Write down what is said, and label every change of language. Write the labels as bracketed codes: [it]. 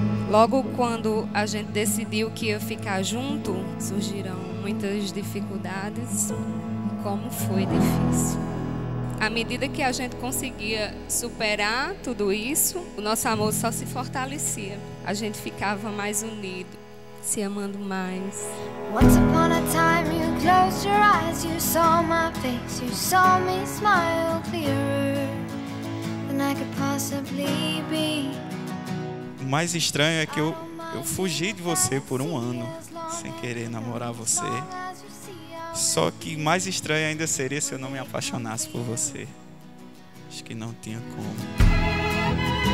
[pt] Logo quando a gente decidiu que ia ficar junto, surgiram muitas dificuldades. Como foi difícil. À medida que a gente conseguia superar tudo isso, o nosso amor só se fortalecia. A gente ficava mais unido, se amando mais. [en] Once upon a time you closed your eyes, you saw my face, you saw me smile clearer than I could possibly be. [pt] O mais estranho é que eu fugi de você por um ano, sem querer namorar você. Só que mais estranho ainda seria se eu não me apaixonasse por você. Acho que não tinha como.